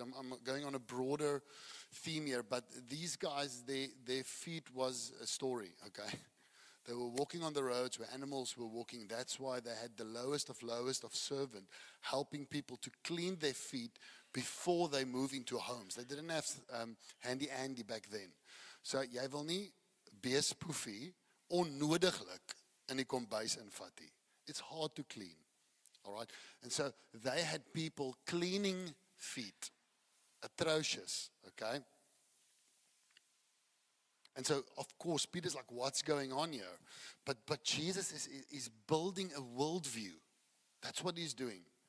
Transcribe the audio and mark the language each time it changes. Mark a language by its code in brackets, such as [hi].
[en] I'm going on a broader theme here, but these guys, their feet was a story, okay? They were walking on the roads where animals were walking. That's why they had the lowest of servant helping people to clean their feet before they move into homes. They didn't have handy andy back then. [af] So jy wil nie beespoefie onnodiglik in die kombuis invat nie. [en] It's hard to clean, all right? And so they had people cleaning feet, atrocious, okay? And so, of course, Peter's like, what's going on here? But Jesus is building a worldview. That's what he's doing.